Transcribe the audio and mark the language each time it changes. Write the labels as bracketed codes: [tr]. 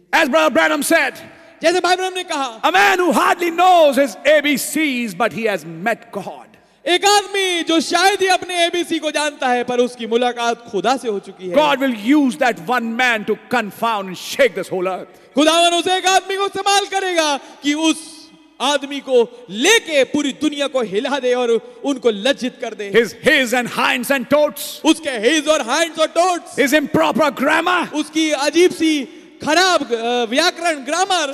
[en] As Brother Branham said. [hi] जैसे भाई ब्रह्म ने कहा. [en] A man who hardly knows his ABCs, but he has met God. [hi] एक आदमी जो शायद ही अपने एबीसी को जानता है पर उसकी मुलाकात खुदा से हो चुकी है. [en] God will use that one man to confound and shake this whole earth. [hi] खुदावन उसे एक आदमी को इस्तेमाल करेगा कि उस आदमी को लेके पूरी दुनिया को हिला दे और उनको लज्जित कर दे. [en] His and hinds and toots. [hi] उसके [en] his [hi] और [en] hinds [hi] और [en] toots. His improper grammar. [hi] उसकी अजीब सी खराब व्याकरण ग्रामर.